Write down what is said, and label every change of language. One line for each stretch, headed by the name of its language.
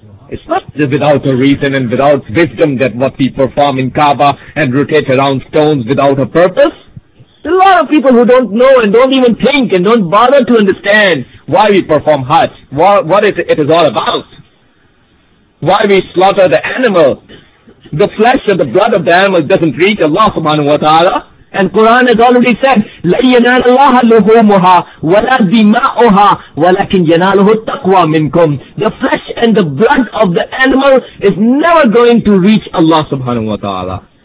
English: It's not without a reason and without wisdom that what we perform in Kaaba and rotate around stones without a purpose. There are a lot of people who don't know and don't even think and don't bother to understand why we perform Hajj, what it is all about. Why we slaughter the animal. The flesh and the blood of the animal doesn't reach Allah subhanahu wa ta'ala. And Quran has already said,
Arabic: لَيَنَالَ اللَّهَ لُهُمُهَا وَلَا دِمَاؤُهَا وَلَكِنْ يَنَالُهُ التَّقْوَى مِنْكُمْ.
English: The flesh and the blood of the animal is never going to reach Allah subhanahu wa ta'ala.